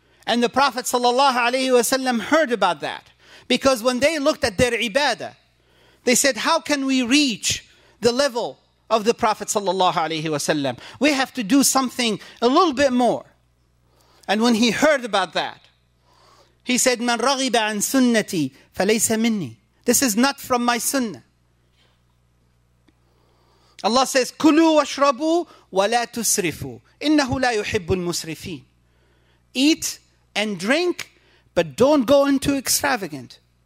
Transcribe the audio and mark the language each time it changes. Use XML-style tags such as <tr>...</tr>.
<en>And the Prophet ﷺ heard about that, because when they looked at their ibadah, they said, how can we reach the level of the Prophet ﷺ? We have to do something a little bit more. And when he heard about that, he said,</en> <ar>مَنْ رَغِبَ عَنْ سُنَّتِي فَلَيْسَ مِنِّي.</ar> <en>This is not from my sunnah. Allah says,</en> <ar>كُلُوا وَاشْرَبُوا وَلَا تُسْرِفُوا إِنَّهُ لَا يُحِبُّ الْمُسْرِفِينَ.</ar> <en>Eat and drink, but don't go into extravagance.</en>